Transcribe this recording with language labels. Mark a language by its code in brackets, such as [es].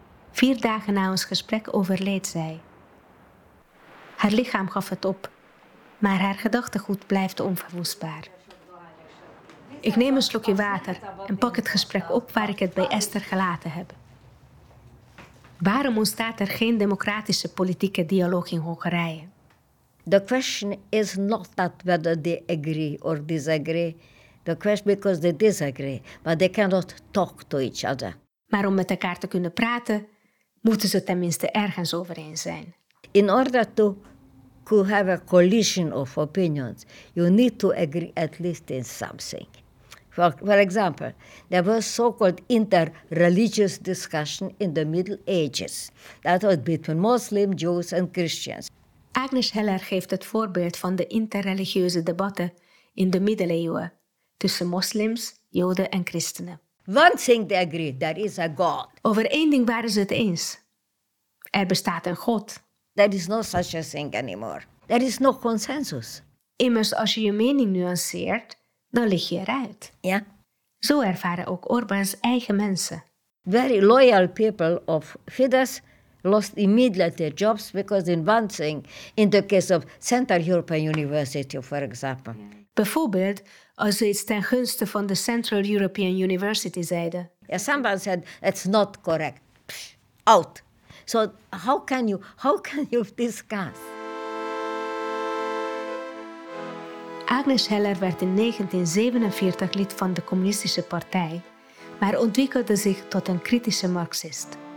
[nl] 4 dagen na ons gesprek overleed zij. Haar lichaam gaf het op, maar haar gedachtegoed blijft onverwoestbaar. Ik neem een slokje water en pak het gesprek op waar ik het bij Esther gelaten heb. Waarom ontstaat er geen democratische politieke dialoog in Hongarije? [en] The question is not that whether they agree or disagree. The question because they disagree, but they cannot talk to each other. [nl] Maar om met elkaar te kunnen praten, moeten ze tenminste ergens over eens zijn. [en] In order to could have a collision of opinions, you need to agree at least in something. For example, there was so-called inter-religious discussion in the Middle Ages. That was between Muslims, Jews and Christians. [nl] Agnes Heller geeft het voorbeeld van de interreligieuze debatten in de middeleeuwen tussen moslims, joden en christenen. [en] One thing they agreed, there is a God. [nl] Over één ding waren ze het eens. Er bestaat een God. [en] There is no such a thing anymore. There is no consensus. [nl] Immers, als je je mening nuanceert, dan lig je eruit. Ja. Zo ervaren ook Orbán's eigen mensen. [en] Very loyal people of Fidesz lost immediately their jobs because in one thing, in the case of Central European University, for example. [nl] Bijvoorbeeld, als ze iets ten gunste van de Central European University zeiden. [en] Ja, someone said, it's not correct. Out. So how can you discuss? [nl] Agnes Heller werd in 1947 lid van de Communistische Partij, maar ontwikkelde zich tot een kritische marxist.